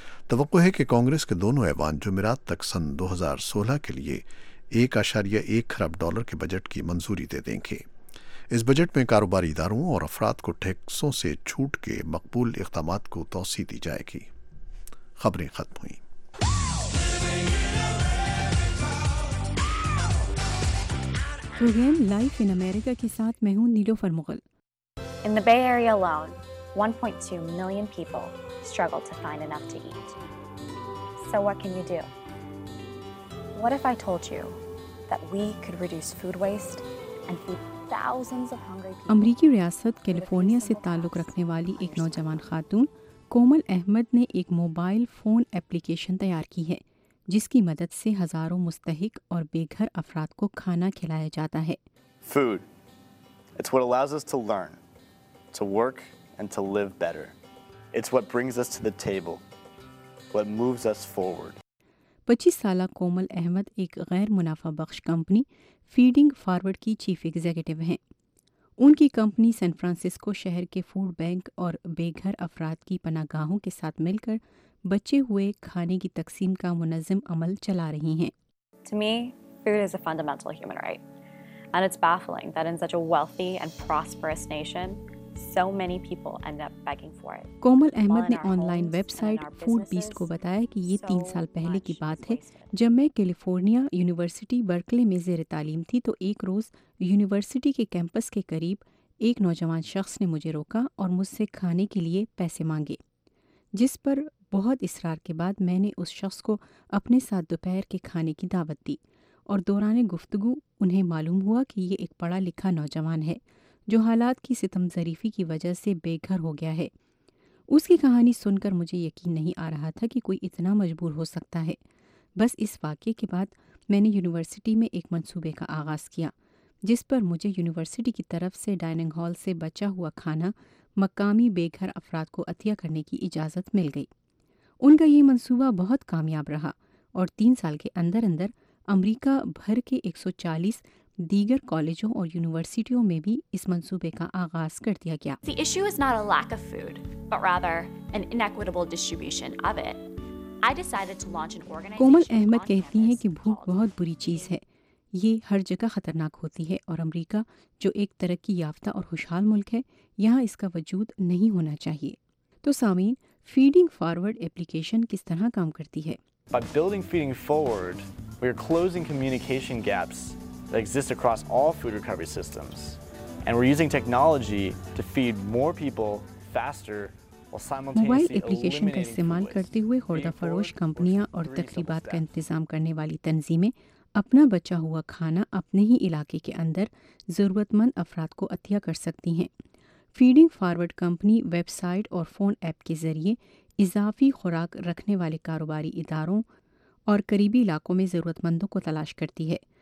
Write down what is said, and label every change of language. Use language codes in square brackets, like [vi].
[ur] توقع ہے کہ کانگریس کے دونوں ایوان جمعرات تک سن 2016 کے لیے 1.1 خرب ڈالر کے بجٹ کی منظوری دے دیں گے۔ اس بجٹ میں کاروباری اداروں اور افراد کو ٹیکسوں سے چھوٹ کے مقبول اقدامات کو توسیع دی جائے گی۔ خبریں ختم ہوئیں۔ پروگرام لائف ان امریکہ کے ساتھ میں ہوں نیلوفر Mughal. [en] In the Bay Area alone, 1.2 million people struggle to find enough to eat. So what can you do? What if I told you that we could reduce food waste and feed thousands of hungry people? [ur] امریکی ریاست California سے تعلق رکھنے والی ایک نوجوان خاتون کومل احمد نے ایک موبائل فون اپلیکیشن تیار کی ہے جس کی مدد سے ہزاروں مستحق اور بے گھر افراد کو کھانا کھلایا جاتا ہے۔ [en] Food. It's what allows us to learn. To work and to live better. It's what brings us to the table. What moves us forward. [ur] 25 سالہ کومل احمد ایک غیر منافع بخش کمپنی فیڈنگ فارورڈ کی چیف ایگزیکٹو ہیں۔ ان کی کمپنی سین فرانسسکو شہر کے food bank اور بے گھر افراد کی پناہ گاہوں کے ساتھ مل کر بچے ہوئے کھانے کی تقسیم کا منظم عمل چلا رہی ہیں۔ [en] To me, food is a fundamental human right. And it's baffling that in such a wealthy and prosperous nation, so many people end up begging for it. [ur] کومل احمد نے on line web site food best کو بتایا کہ یہ 3 سال پہلے کی بات ہے، جب میں کیلیفورنیا یونیورسٹی برکلے میں زیر تعلیم تھی تو ایک روز یونیورسٹی کے کیمپس کے قریب ایک نوجوان شخص نے مجھے روکا اور مجھ سے کھانے کے لیے پیسے مانگے، جس پر بہت اصرار کے بعد میں نے اس شخص کو اپنے ساتھ دوپہر کے کھانے کی دعوت دی، اور دوران گفتگو انہیں معلوم ہوا کہ یہ ایک پڑھا لکھا نوجوان ہے جو حالات کی ستم ظریفی کی وجہ سے بے گھر ہو گیا ہے۔ اس کی کہانی سن کر مجھے یقین نہیں آ رہا تھا کہ کوئی اتنا مجبور ہو سکتا ہے۔ بس اس واقعے کے بعد میں نے یونیورسٹی میں ایک منصوبے کا آغاز کیا، جس پر مجھے یونیورسٹی کی طرف سے ڈائننگ ہال سے بچا ہوا کھانا مقامی بے گھر افراد کو عطیہ کرنے کی اجازت مل گئی۔ ان کا یہ منصوبہ بہت کامیاب رہا اور 3 سال کے اندر اندر امریکہ بھر کے 140 دیگر کالجوں اور یونیورسٹیوں میں بھی اس منصوبے کا آغاز کر دیا گیا۔ [en] The issue is not a lack of food, but rather an inequitable distribution of it. I decided to launch an organization. [ur] کومل احمد کہتی ہیں کہ بھوک بہت بری چیز ہے، یہ ہر جگہ خطرناک ہوتی ہے، اور امریکہ جو ایک ترقی یافتہ اور خوشحال ملک ہے، یہاں اس کا وجود نہیں ہونا چاہیے۔ تو سامعین، فیڈنگ فارورڈ اپلیکیشن کس طرح کام کرتی ہے؟ [en] By building feeding forward, we are closing communication gaps that exist across all food recovery systems, and we're using technology to feed more people faster while simultaneously eliminating food waste. [ur] Application کا استعمال کرتے ہوئے خوردہ فروش کمپنیاں اور تقریبات کا انتظام کرنے والی تنظیمیں اپنا بچا ہوا کھانا اپنے ہی علاقے کے اندر ضرورت مند افراد کو عطیہ کر سکتی ہیں۔ Feeding forward company web site اور فون ایپ کے ذریعے اضافی خوراک رکھنے والے کاروباری اداروں اور قریبی علاقوں میں ضرورت مندوں کو تلاش کرتی ہے۔